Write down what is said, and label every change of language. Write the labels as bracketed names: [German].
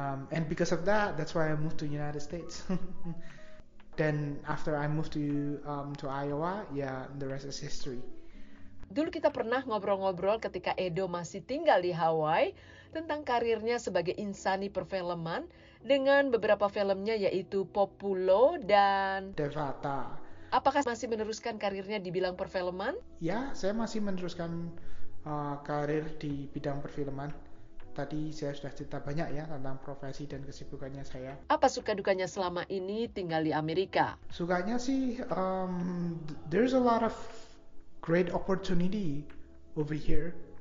[English] And because of that, that's why I moved to United States. Then after I moved to Iowa, yeah, the rest is history. [Indonesian] Dulu kita pernah ngobrol-ngobrol ketika Edo masih tinggal di Hawaii tentang karirnya sebagai insani perfilman dengan beberapa filmnya yaitu Populo dan Devata. Apakah masih meneruskan karirnya di bidang perfilman? Ya, saya masih meneruskan karir di bidang perfilman. Tadi saya sudah cerita banyak ya tentang profesi dan kesibukannya saya. Apa suka dukanya selama ini tinggal di Amerika? Sukanya sih, [English] there's a lot of great opportunity over here.